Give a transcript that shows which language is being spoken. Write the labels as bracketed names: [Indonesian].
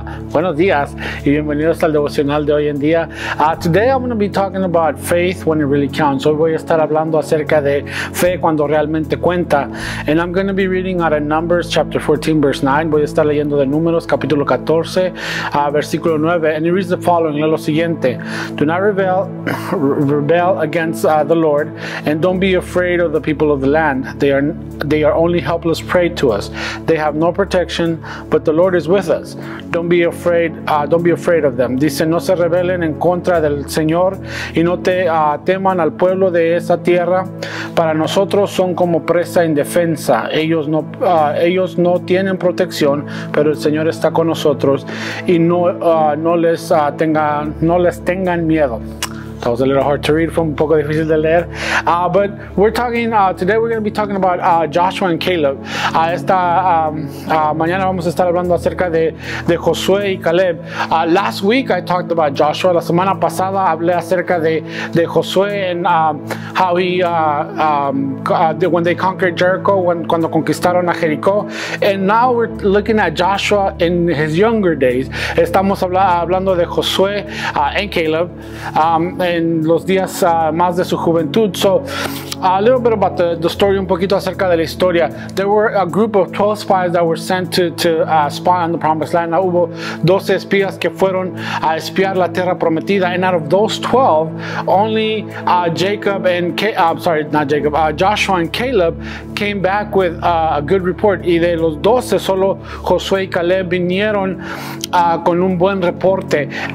[Spanish] Buenos días y bienvenidos al devocional de hoy en día. [English] Today I'm going to be talking about faith when it really counts. [Spanish] Hoy voy a estar hablando acerca de fe cuando realmente cuenta. [English] And I'm going to be reading out of Numbers chapter 14, verse 9. [Spanish] Voy a estar leyendo de Números, capítulo 14, versículo 9. [English] And it reads the following. [Spanish] Lee lo siguiente. [English] Do not rebel against the Lord, and don't be afraid of the people of the land. They are only helpless prey to us. They have no protection, but the Lord is with us. Don't be afraid of them. [Spanish] Dice, no se rebelen en contra del Señor y no te teman al pueblo de esa tierra. Para nosotros son como presa indefensa. Ellos no tienen protección, pero el Señor está con nosotros y no les tengan miedo. [English] That was a little hard to read, from [Spanish] un poco difícil de leer. [English] But we're talking, today we're going to be talking about Joshua and Caleb. [Spanish] Mañana vamos a estar hablando acerca de Josué y Caleb. [English] Last week I talked about Joshua. [Spanish] La semana pasada hablé acerca de Josué [English] and when they conquered Jericho, [Spanish] cuando conquistaron a Jericó. [English] And now we're looking at Joshua in his younger days. [Spanish] Estamos hablando de Josué and Caleb. En los días más de su juventud. [English] So, a little bit about the story, [Spanish] un poquito acerca de la historia. [English] There were a group of 12 spies that were sent to spy on the promised land. [Spanish] Hubo 12 espías que fueron a espiar la tierra prometida. [English] And out of those 12, only Joshua and Caleb came back with a good report. [Spanish] Y de los 12, solo Josué y Caleb vinieron con un buen reporte.